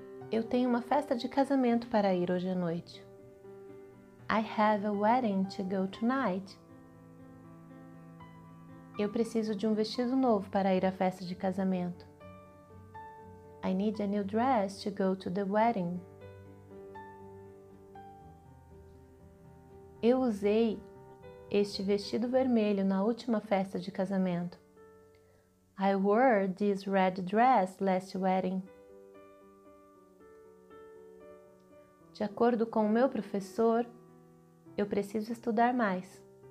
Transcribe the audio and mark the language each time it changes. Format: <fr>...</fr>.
<pt>Eu tenho uma festa de casamento para ir hoje à noite.</pt> <en>I have a wedding to go tonight.</en> <pt>Eu preciso de um vestido novo para ir à festa de casamento.</pt> <en>I need a new dress to go to the wedding.</en> <pt>Eu usei este vestido vermelho na última festa de casamento.</pt> <en>I wore this red dress last wedding.</en> <pt>De acordo com o meu professor, eu preciso estudar mais.</pt>